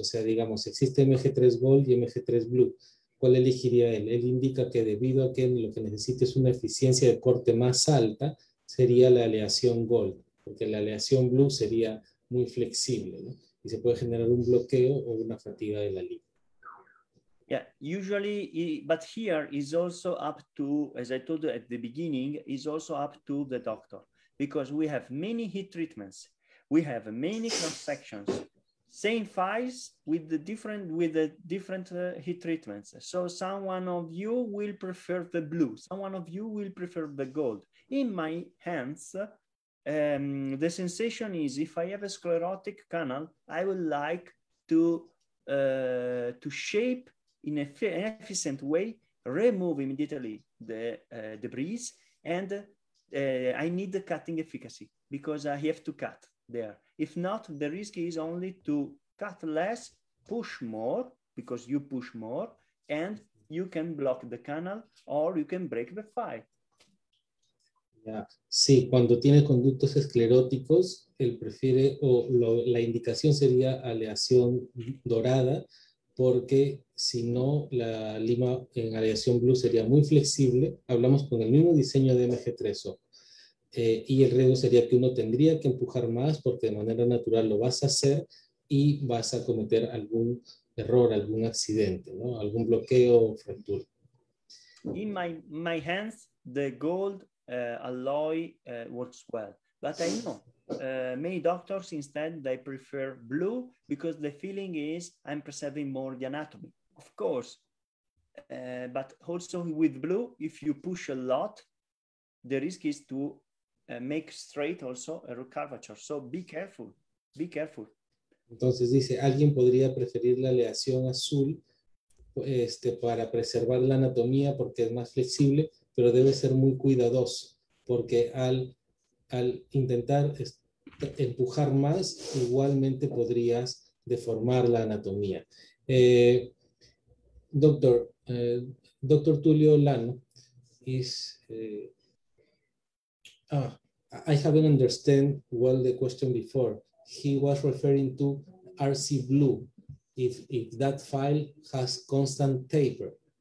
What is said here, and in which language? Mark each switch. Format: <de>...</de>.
<es>O sea, digamos, existe MG3 Gold y MG3 Blue. ¿Cuál elegiría él? Él indica que debido a que lo que necesita es una eficiencia de corte más alta, sería la aleación Gold, porque la aleación Blue sería muy flexible, ¿no? Y se puede generar un bloqueo o una fatiga de la línea.</es> <en>Yeah, usually, but here is also up to, as I told you at the beginning, is also up to the doctor, because we have many heat treatments, we have many cross sections, same files with the different heat treatments. So someone of you will prefer the blue, someone of you will prefer the gold. In my hands, the sensation is if I have a sclerotic canal, I would like to shape in an efficient way, remove immediately the debris, and I need the cutting efficacy because I have to cut there. If not, the risk is only to cut less, push more, because you push more, and you can block the canal or you can break the file. Yeah.</en> <es>Sí, cuando tiene conductos escleróticos, él prefiere, o lo, la indicación sería aleación dorada, porque si no, la lima en aleación blue sería muy flexible. Hablamos con el mismo diseño de MG3, y el riesgo sería que uno tendría que empujar más, porque de manera natural lo vas a hacer y vas a cometer algún error, algún accidente, ¿no? Algún bloqueo o fractura.</es> <en>In my hands, the gold alloy works well, but I know many doctors instead they prefer blue because the feeling is I'm preserving more the anatomy, of course, but also with blue, if you push a lot, the risk is to make straight also a curvature. So be careful.</en> <es>Entonces dice, alguien podría preferir la aleación azul para preservar la anatomía porque es más flexible, pero debe ser muy cuidadoso, porque al intentar empujar más, igualmente podrías deformar la anatomía.</es> <en>Doctor Tulio Lano, I haven't understood well the question before. He was referring to RC Blue, if that file has constant taper.</en>